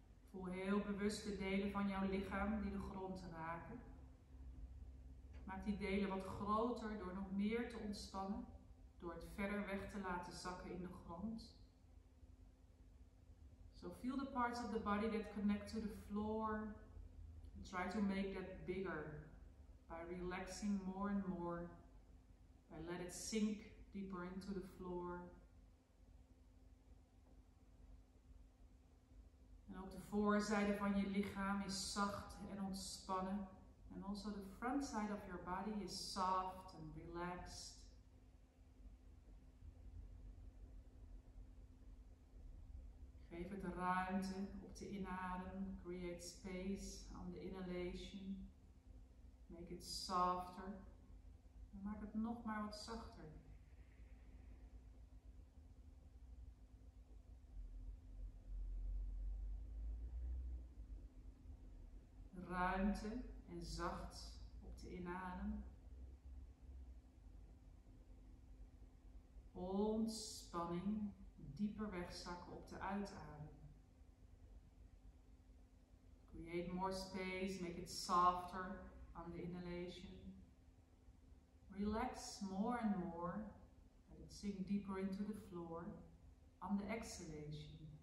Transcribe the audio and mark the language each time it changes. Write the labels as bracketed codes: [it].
[nl] Voel heel bewust de delen van jouw lichaam die de grond raken. Maak die delen wat groter door nog meer te ontspannen, door het verder weg te laten zakken in de grond. [en] So feel the parts of the body that connect to the floor. And try to make that bigger by relaxing more and more I let it sink deeper into the floor. [nl] En ook de voorzijde van je lichaam is zacht en ontspannen. En [en] also the front side of your body is soft and relaxed. [nl] Geef het ruimte op de inadem. [en] Create space on the inhalation. Make it softer. [nl] En maak het nog maar wat zachter. Ruimte en zacht op de inadem. Ontspanning dieper wegzakken op de uitadem. [en] Create more space, make it softer on the inhalation. Relax more and more, let it sink deeper into the floor on the exhalation.